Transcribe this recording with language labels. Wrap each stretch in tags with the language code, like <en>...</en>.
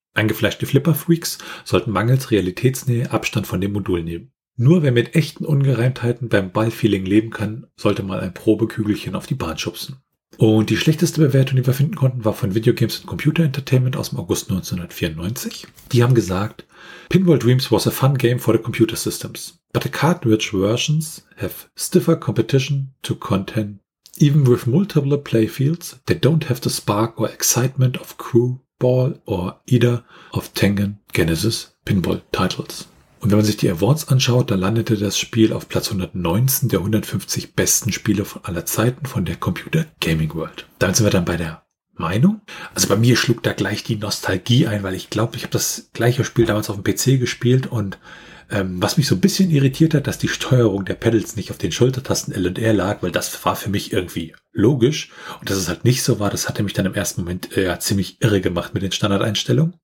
<de>Eingefleischte Flipper-Freaks sollten mangels Realitätsnähe Abstand von dem Modul nehmen. Nur wer mit echten Ungereimtheiten beim Ballfeeling leben kann, sollte mal ein Probekügelchen auf die Bahn schubsen. Und die schlechteste Bewertung, die wir finden konnten, war von Video Games and Computer Entertainment aus dem August 1994. Die haben gesagt,</de> <en>Pinball Dreams was a fun game for the computer systems, but the cartridge versions have stiffer competition to contend Even with multiple playfields, they don't have the spark or excitement of Crew Ball or either of Tengen Genesis Pinball Titles.</en> <de>Und wenn man sich die Awards anschaut, da landete das Spiel auf Platz 119 der 150 besten Spiele von aller Zeiten von der Computer Gaming World. Damit sind wir dann bei der Meinung. Also bei mir schlug da gleich die Nostalgie ein, weil ich glaube, ich habe das gleiche Spiel damals auf dem PC gespielt und was mich so ein bisschen irritiert hat, dass die Steuerung der Pedals nicht auf den Schultertasten L und R lag, weil das war für mich irgendwie logisch und dass es halt nicht so war, das hatte mich dann im ersten Moment ziemlich irre gemacht mit den Standardeinstellungen.</de>